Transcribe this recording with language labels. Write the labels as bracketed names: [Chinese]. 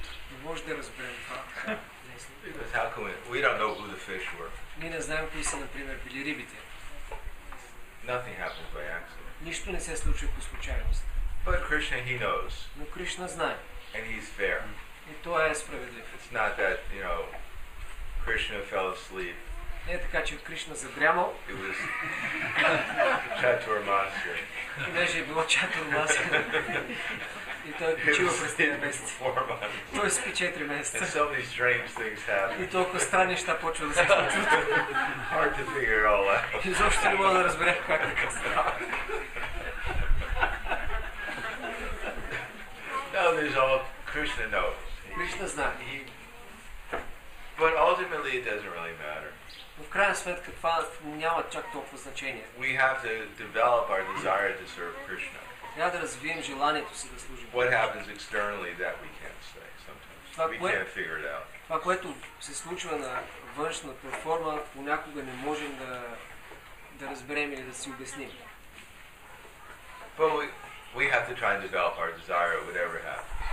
[Bulgarian] You можете разберем това. [English] Because how can we don't know who the fish were. [Bulgarian] Ние не знаем кои са, например, били рибите. [English] Nothing happens by accident. [Bulgarian] Нищо не се случва по случайност. [English] But Krishna, he knows. [Bulgarian] Но Кришна знае. [English] And he's fair. [Bulgarian] И той е справедлив. [English] It's not that, you know, Krishna fell asleep [Bulgarian] Не е така, че Кришна задрямал. Чатурмасра. Понеже е било Чатурмасра. И той е почива през тези месеци. Той спи 4 месеца. [English] So these strange things happen. [Bulgarian] И толкова странни неща почва да се случват. [English] Hard to figure all out. [Bulgarian] Изобщо не мога да разбера как е така става. [English] Now there's all Krishna knows. [Bulgarian] Krishna знае. [English] But ultimately it doesn't really matter. [Bulgarian] В крайна сметка това няма чак толкова значение. [English] We have to develop our desire to serve Krishna. [Bulgarian] Трябва да развием желанието си да служим. [English] What happens externally that we can't say sometimes. We can't figure it out. [Bulgarian] Това, което се случва на външната форма, понякога не можем да разберем или да си обясним. [English] We have to try and develop our desire, whatever happens.